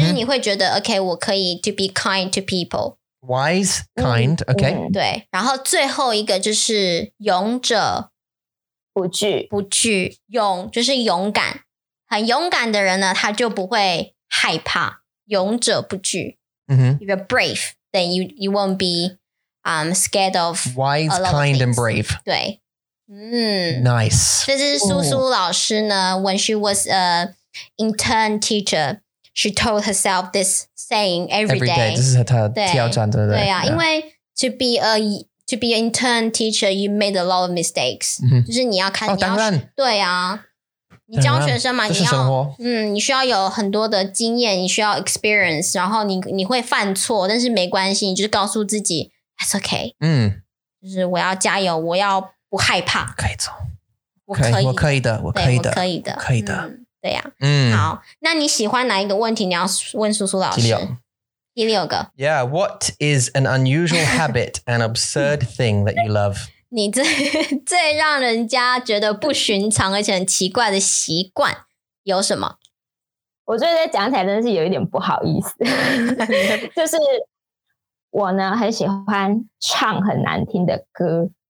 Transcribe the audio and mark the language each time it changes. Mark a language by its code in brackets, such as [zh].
[zh] 就是你会觉得 OK， 我可以 [en] to be kind to people. Wise, kind,、mm-hmm. OK. [zh] 对，然后最后一个就是勇者不惧，不惧勇就是勇敢，很勇敢的人呢，他就不会害怕。勇者不惧、 mm-hmm. [en] ，If you're brave, then you won't be scared of wise, kind, and brave. [zh] 对。 [en] 嗯 ，Nice。 [zh] 这是苏苏老师呢、Ooh. [en] ，When she was a intern teacher, she told herself this saying every day. [zh] 这是她的挑战，对不对？对 [en] 啊， yeah. 因为 to be an intern teacher, you made a lot of mistakes.、 Mm-hmm. [zh] 就是你要看，哦、当然，对啊，你教学生嘛，你要你需要有很多的经验，你需要 experience， 然后你会犯错，但是没关系，你就是告诉自己 [en] That's okay. 嗯， [zh] 就是我要加油，我要不害怕。可以走，我可以，我可以的，我可以的，可以的，可以的。对呀，嗯，好，那你喜欢哪一个问题？你要问苏苏老师。第六个。 [en] Yeah, what is an unusual habit, an absurd thing that you love? [zh] 你最让人家觉得不寻常而且很奇怪的习惯有什么？我觉得讲起来真的是有一点不好意思，就是我呢很喜欢唱很难听的歌，